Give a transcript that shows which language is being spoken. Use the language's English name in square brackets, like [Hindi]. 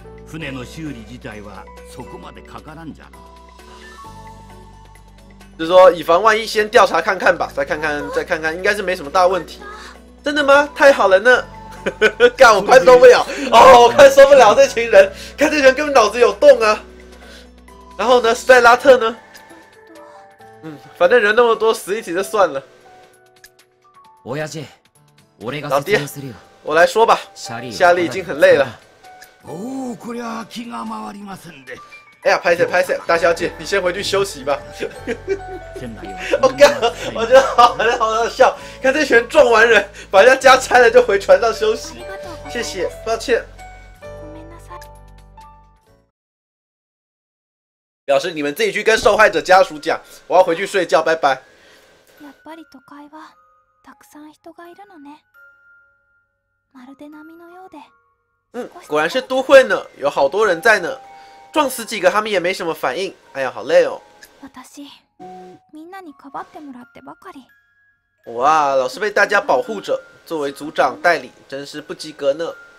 [Japanese] 船の修理自体はそこまでかからんじゃろ。 [Chinese] 就说以防万一，先调查看看吧，再看看，应该是没什么大问题。真的吗？太好了呢。干，我快受不了哦！我快受不了这群人，看这群人根本脑子有洞啊！然后呢，斯戴拉特呢？嗯，反正人那么多，死一起就算了。老爹，我来说吧。夏莉已经很累了。哎呀，拍摄，大小姐，你先回去休息吧。我觉得好笑，看这群撞完人把人家家拆了就回船上休息，谢谢，抱歉，表示你们自己去跟受害者家属讲，我要回去睡觉，拜拜。 [Japanese] やっぱり都会はたくさん人がいるのね。まるで波のようで。 [Chinese] 果然是都会呢，有好多人在呢，撞死几个他们也没什么反应。哎呀，好累哦。 [Japanese] 私みんなにかばってもらってばかり。 [Chinese] 哇，老是被大家保护着，作为组长代理，真是不及格呢。